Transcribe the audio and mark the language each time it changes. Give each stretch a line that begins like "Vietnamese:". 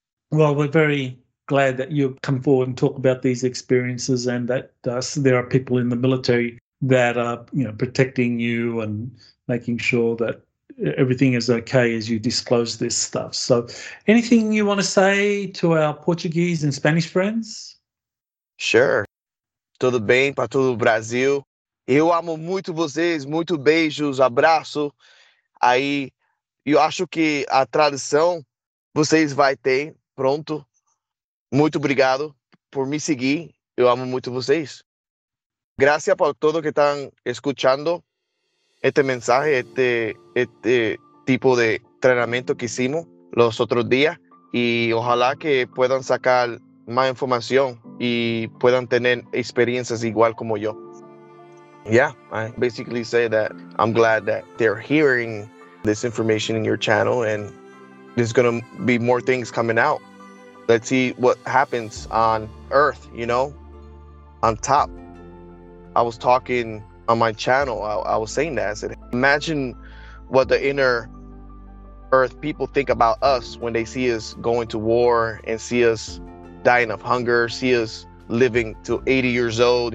English: Well, we're very glad that you come forward and talk about these experiences and that there are people in the military that are, you know, protecting you and making sure that everything is okay as you disclose this stuff. So anything you want to say to our Portuguese and Spanish friends? Sure.
Portuguese: Tudo bem para todo o Brasil. Eu amo muito vocês. Muito beijos. Abraço. Aí, eu acho que a tradução vocês vai ter pronto. Muito obrigado por me seguir. Eu amo muito vocês.
Spanish: Gracias por todo que están escuchando este mensaje, este tipo de entrenamiento que hicimos los otros días. Y ojalá que puedan sacar más información y puedan tener experiencias igual como yo.
English: Yeah, I basically say that I'm glad that they're hearing this information in your channel and there's going to be more things coming out. Let's see what happens on Earth, you know, on top. I was talking on my channel. I was saying that. I said, imagine what the inner Earth people think about us when they see us going to war and see us dying of hunger, see us living to 80 years old.